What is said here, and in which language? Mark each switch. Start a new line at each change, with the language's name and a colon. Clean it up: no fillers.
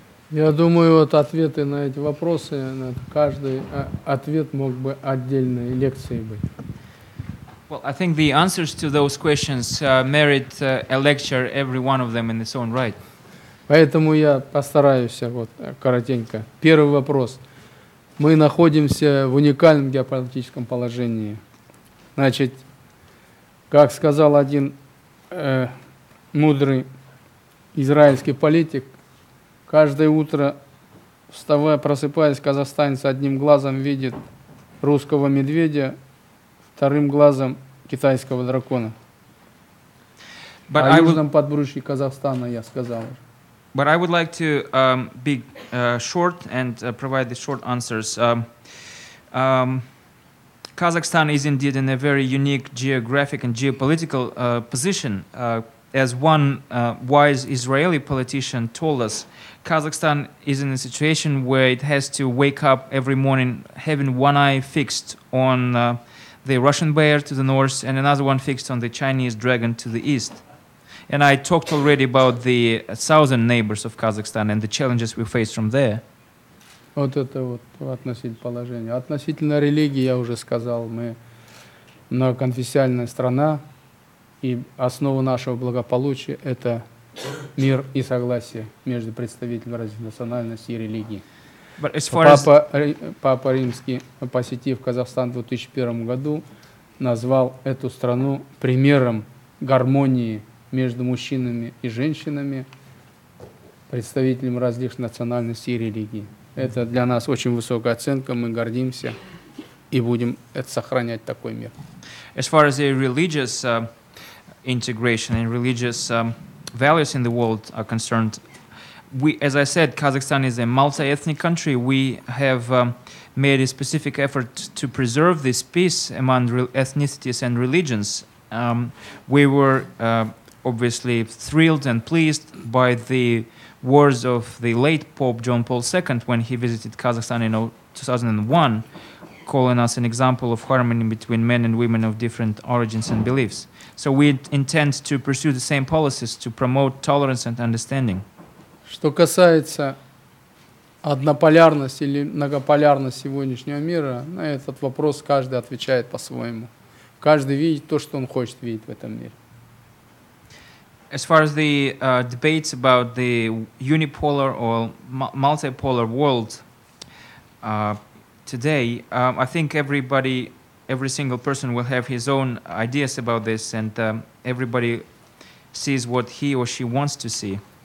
Russian: Я думаю, вот ответы на эти вопросы, на каждый ответ мог бы отдельной лекцией быть.
English: Well, I think the answers to those questions merit a lecture, every one of them in its own right.
Russian: Поэтому я постараюсь вот коротенько. Первый вопрос. Мы находимся в уникальном геополитическом положении. Значит, как сказал один мудрый израильский политик, каждое утро, вставая, просыпаясь, казахстанец одним глазом видит русского медведя, вторым глазом китайского дракона. О южном подбрюшье Казахстана я сказал.
English: But I would like to be short and provide the short answers. Kazakhstan is indeed in a very unique geographic and geopolitical position. As one wise Israeli politician told us, Kazakhstan is in a situation where it has to wake up every morning having one eye fixed on the Russian bear to the north and another one fixed on the Chinese dragon to the east. And I talked already about the southern neighbors of Kazakhstan and the challenges we face from there.
Russian: Вот это вот относительно положения. Относительно религии, я уже сказал, мы многоконфессиональная страна, и основа нашего благополучия – это мир и согласие между представителями разных национальностей и религий.
English: But as far Папа, as...
Russian: Папа Римский, посетив Казахстан в 2001 году, назвал эту страну примером гармонии между мужчинами и женщинами, представителями различных национальностей и религий. Это для нас очень высокая оценка, мы гордимся и будем это сохранять такой мир.
English: As far as the religious integration and religious values in the world are concerned, we, as I said, Kazakhstan is a multi-ethnic country. We have made a specific effort to preserve this peace among ethnicities and religions. We were obviously thrilled and pleased by the words of the late Pope John Paul II when he visited Kazakhstan in 2001, calling us an example of harmony between men and women of different origins and beliefs. So we intend to pursue the same policies to promote tolerance and understanding.
Russian: Что касается однополярности или многополярности сегодняшнего мира, на этот вопрос каждый отвечает по-своему. Каждый видит то, что он хочет видеть в этом мире.
English: As far as the debates about the unipolar or multipolar world today, I think everybody, every single person will have his own ideas about this, and everybody sees what he or she wants to see.